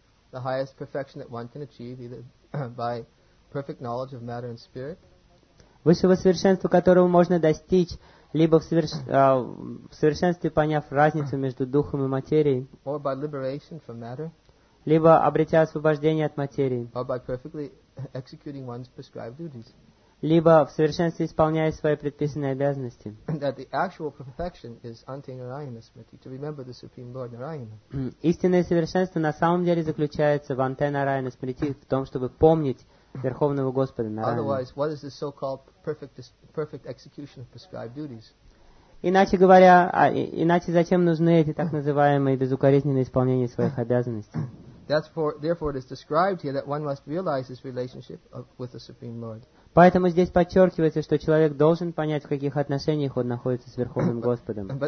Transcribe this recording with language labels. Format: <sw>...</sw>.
<en>The highest perfection that one can achieve either by perfect knowledge of matter and spirit.</en> <ru>Высшего совершенства, которого можно достичь, либо в совершенстве поняв разницу между духом и материей,</ru> <en>or by liberation from matter,</en> <ru>либо обретя освобождение от материи,</ru> <en>or by perfectly executing one's prescribed duties,</en> <ru>либо в совершенстве исполняя свои предписанные обязанности.</ru> <en>That the actual perfection is Ante Narayana Smriti, to remember the Supreme Lord Narayana.</en> <ru>Истинное совершенство на самом деле заключается в Ante Narayana Smriti, в том, чтобы помнить Верховного Господа Нараяну.</ru> <en>Otherwise, what is the so-called perfect execution of prescribed duties?</en> <ru>Иначе говоря, иначе зачем нужны эти так называемые безукоризненные исполнения своих обязанностей?</ru> <en>Therefore, it is described here that one must realize his relationship with the Supreme Lord.</en> <ru>Поэтому здесь подчеркивается, что человек должен понять, в каких отношениях он находится с Верховным Господом.</ru>